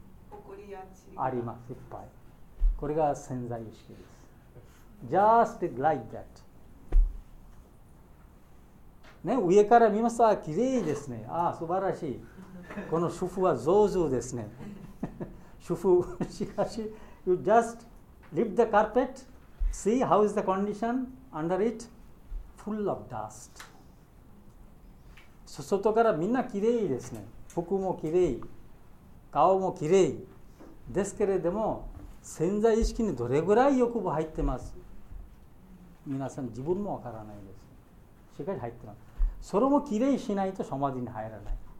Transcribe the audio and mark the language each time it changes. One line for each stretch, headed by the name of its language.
Japanese: ほこりやちりあります、いっぱい。これが潜在意識です。
English: Just like that。
Japanese: ね、上から見ますときれいですね。ああ、素晴らしい。この主婦は上手ですね。主婦、しかし、
English: you just lift the carpet, see how is the condition under it, full of dust.
Japanese: 外からみんなきれいですね。服もきれい、顔もきれい。ですけれども、潜在意識にどれぐらい欲望入ってます。皆さん、自分もわからないです。しかし入ってます。それもきれいしないとサマディに入らない。